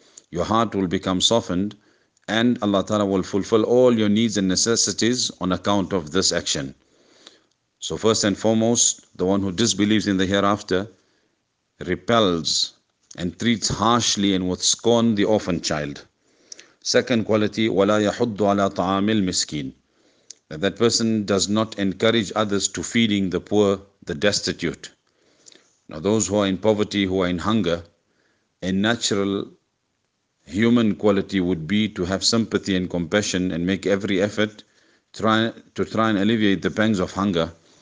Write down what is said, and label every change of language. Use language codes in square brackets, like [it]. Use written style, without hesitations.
[en] Your heart will become softened, and Allah Ta'ala will fulfill all your needs and necessities on account of this action. So first and foremost, the one who disbelieves in the hereafter repels and treats harshly and with scorn the orphan child. Second quality, [ar] وَلَا يَحُدُّ عَلَىٰ طَعَامِ الْمِسْكِينَ. [en] That person does not encourage others to feeding the poor, the destitute. Now those who are in poverty, who are in hunger, a natural human quality would be to have sympathy and compassion and make every effort to try and alleviate the pangs of hunger.